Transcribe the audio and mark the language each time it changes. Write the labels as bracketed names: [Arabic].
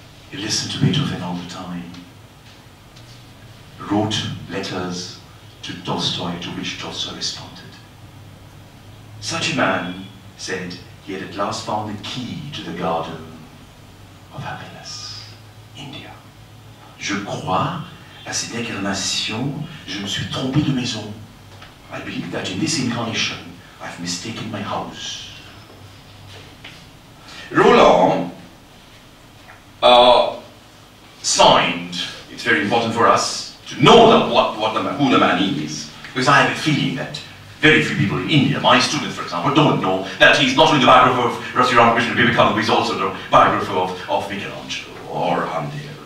[English] He listened to Beethoven all the time. Wrote letters to Tolstoy, to which Tolstoy responded. Such a man, said, he had at last found the key to the garden of happiness, India. [French] Je crois, à cette incarnation, je me suis trompé de maison. [English] I believe that in this incarnation, I've mistaken my house. Roland signed, it's very important for us to know who the man is, because I have a feeling that very few people in India, my students for example, don't know that he's not only the biographer of Rashi Ramakrishna Vivekananda, but he's also the biographer of Michelangelo or Handel.